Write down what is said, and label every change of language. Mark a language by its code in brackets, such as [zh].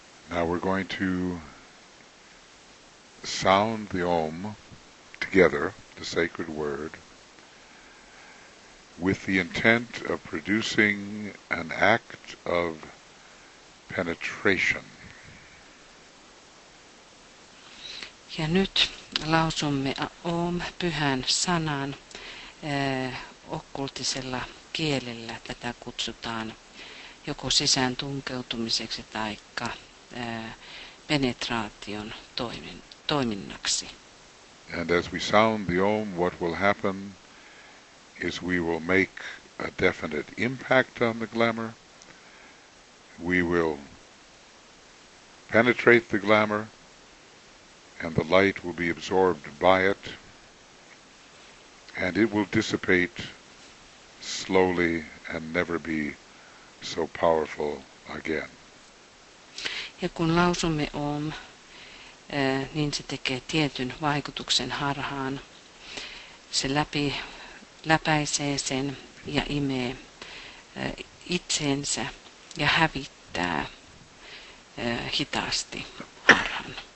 [en] Now we're going to sound the Om together, the sacred word, with the intent of producing an act of penetration. [fi] Ja nyt lausumme Om pyhän sanan okkultisella kielellä. Tätä kutsutaan joko sisään tunkeutumiseksi taikka penetraation toiminnaksi. [en] And as we sound the Om, what will happen is we will make a definite impact on the glamour. We will penetrate the glamour, and the light will be absorbed by it, and it will dissipate slowly and never be so powerful again. [fi] Ja kun lausumme Om, niin se tekee tietyn vaikutuksen harhaan. Se läpäisee sen ja imee itseensä ja hävittää hitaasti harhan.